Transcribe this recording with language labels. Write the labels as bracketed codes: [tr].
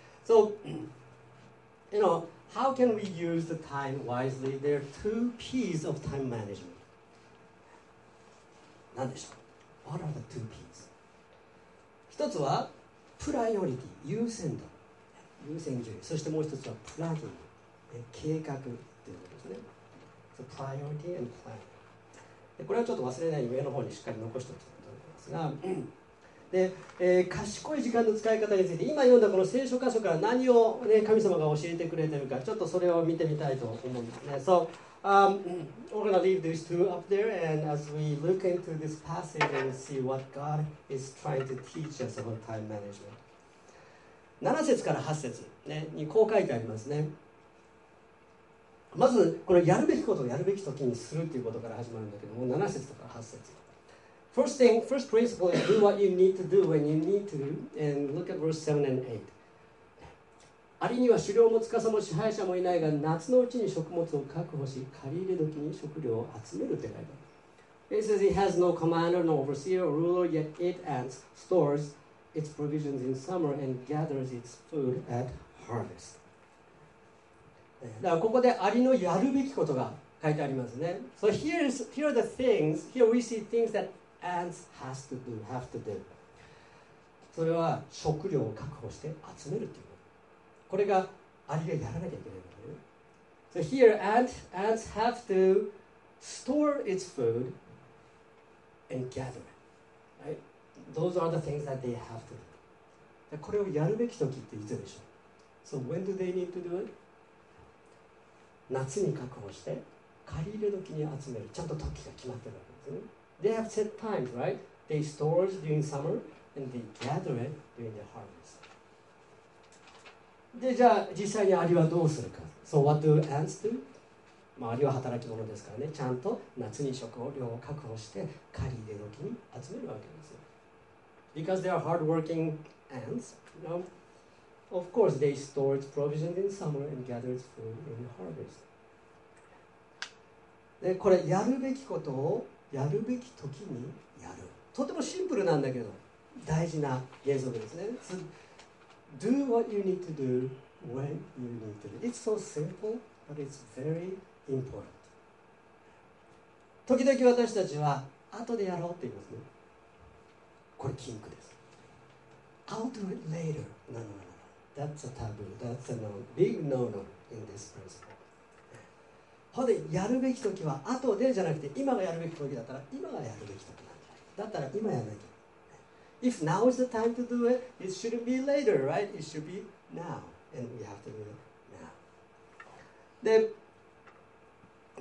[en] So, you know, how can we use the time wisely? There are two P's of time management. [ja] 何でしょう? [en] What are the two P's? [ja] 一つは、プライオリティ、優先度、優先順位。そしてもう一つは、プランニング、計画ということですね。 [en] So, priority and plan. [ja] でこれはちょっと忘れないように上の方にしっかり残しておきたいと思いますが、で賢い時間の使い方について、今読んだこの聖書箇所から何を、ね、神様が教えてくれているか、ちょっとそれを見てみたいと思うんですね。 [en] So we're going to leave these two up there, and as we look into this passage and see what God is trying to teach us about time management. [ja] 7節から8節、ね、にこう書いてありますね。まずこれ、やるべきことをやるべき時にするということから始まるんだけども、7節とか8節。 [en] First thing, first principle is do what you need to do when you need to. And look at verse 7 and 8. [ja] アリには狩猟も司も支配者もいないが、夏のうちに食物を確保し、借り入れ時に食料を集めるって書いてある。 [en] It says it has no commander, no overseer, or ruler, yet it ants stores its provisions in summer and gathers its food at harvest. [ja] だからここでアリのやるべきことが書いてありますね。 [en] So here are the things, here we see things thatAnds has to do, have to do. [ja] それは食料を確保して集めるということ。これがアリがやらなきゃいけないんだよね。 [en] So here, ants have to store its food and gather it. Right? Those are the things that they have to do. [ja] これをやるべき時っていつでしょう。 [en] So when do they need to do it? [ja] 夏に確保して、借り入れ時に集める。ちゃんと時が決まってるわけですね。 [en] They have set times, right? They store it during summer and they gather it during the harvest. [ja] で、じゃあ実際にアリはどうするか。 [en] So what do ants do? [ja] まあアリは働き者ですからね。ちゃんと夏に食を量を確保して狩り入れ時に集めるわけですよ。 [en] Because they are hardworking ants, you know? Of course, they store its provision in summer and gather its food in the harvest. [ja] で、これやるべきことをやるべき時にやる。とてもシンプルなんだけど大事な原則ですね。 [en] So, do what you need to do when you need to do. It's so simple, but it's very important. [ja] 時々私たちは後でやろうって言いますね。これ禁句です。 [en] I'll do it later. No, no, no. That's a taboo. That's a no, big no-no in this principle. [ja] ほんでやるべき時は後でじゃなくて、今がやるべき時だったら今がやるべき時なんじゃない。だったら今やらなきゃ。 [en] If now is the time to do it, it shouldn't be later, right? It should be now. And we have to do it now.